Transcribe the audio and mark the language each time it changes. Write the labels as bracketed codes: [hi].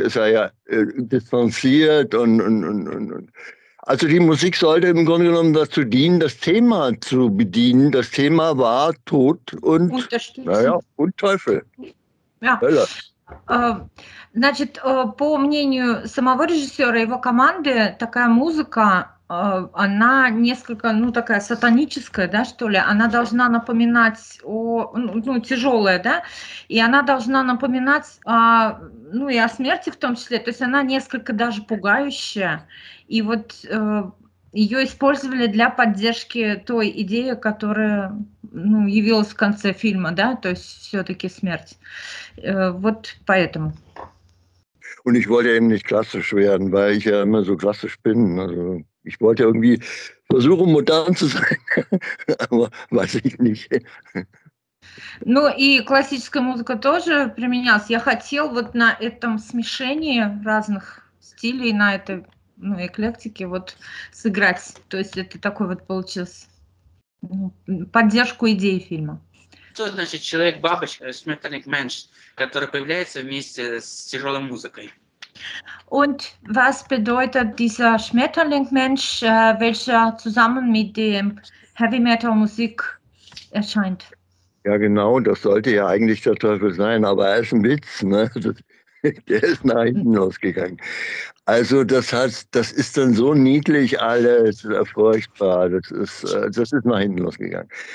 [de] Das war ja distanziert und. Also die Musik sollte im Grunde genommen dazu dienen, das Thema zu bedienen. Das Thema war Tod und, naja, Unterstützen. und Teufel. Ja. Hölle. [ru] По мнению самого режиссера и его команды, такая музыка, она несколько, ну, такая сатаническая, да, что ли, она должна напоминать о, ну, тяжелая, да, и она должна напоминать, ну, и о смерти в том числе, то есть она несколько даже пугающая, и вот ее использовали для поддержки той идеи, которая, ну, явилась в конце фильма, да, то есть все-таки смерть. Вот поэтому. [de] Und ich wollte eben nicht klassisch werden, weil ich ja immer so klassisch bin. Also ich wollte irgendwie versuchen, modern zu sein, aber weiß ich nicht. [ru] Ну и классическая музыка тоже применялась. Я хотел вот на этом смешении разных стилей, на этой, ну, эклектике вот сыграть. То есть это такой вот получился поддержку идеи фильма. Что значит человек-бабочка, смертельный менш, который появляется вместе с тяжелой музыкой? [de] Und was bedeutet dieser Schmetterling-Mensch, welcher zusammen mit dem Heavy-Metal-Musik erscheint? Ja, genau, das sollte ja eigentlich der Teufel sein, aber er ist ein Witz, ne? Der ist nach hinten losgegangen. Also, das heißt, das ist dann so niedlich alles, furchtbar, das ist nach hinten losgegangen.